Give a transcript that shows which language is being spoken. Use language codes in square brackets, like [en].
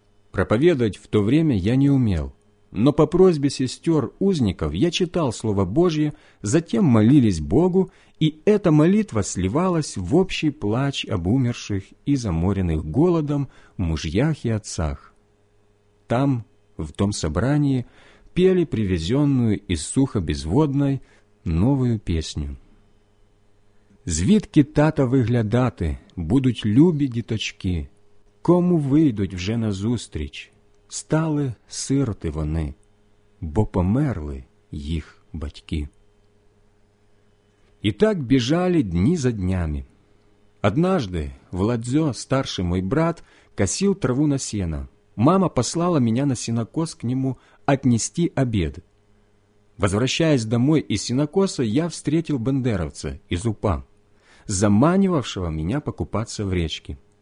[ru] Проповедовать в то время я не умел, но по просьбе сестер-узников я читал Слово Божье, затем молились Богу, и эта молитва сливалась в общий плач об умерших и заморенных голодом мужьях и отцах. Там, в том собрании, пели привезенную из Сухобезводной новую песню. [uk] «Звідки тата виглядати, будуть любі діточки, кому вийдуть вже назустріч, стали сироти вони, бо померли їх батьки». І так біжали дні за днями. [ru] Однажды Владзьо, старший мой брат, косил траву на сено. Мама послала меня на сенокос к нему отнести обед. Возвращаясь домой из сенокоса, я встретил бандеровца из УПА, заманивавшего меня покупаться в речке.